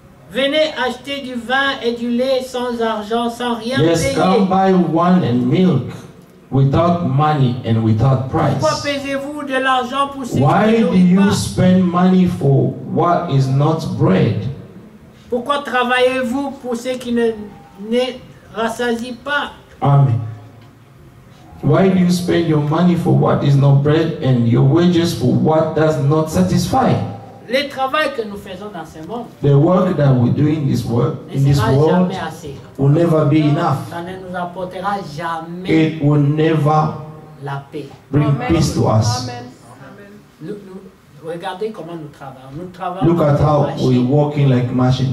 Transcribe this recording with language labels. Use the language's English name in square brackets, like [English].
[French] Venez acheter du vin et du lait sans argent, sans rien [English] yes, [French] payer. [English] Come buy wine and milk without money and without price. [French] Pourquoi payez-vous de l'argent pour ce [English] why [French] qui [English] do you pas? Spend money for what is not bread? [French] Pourquoi travaillez-vous pour ce qui ne rassasie pas? Amen. [English] Why do you spend your money for what is not bread and your wages for what does not satisfy? [French] Le travail que nous faisons dans ce monde, [English] the work that we do in this world, [French] ne sera [English] in this world, [French] jamais assez. [English] Will never be enough. [French] Ça ne nous apportera jamais. [English] It will never [French] la paix. [English] Bring Amen. Peace to us. Amen. [French] Regardez comment nous travaillons. Nous travaillons. [English] Look at how we working like machines.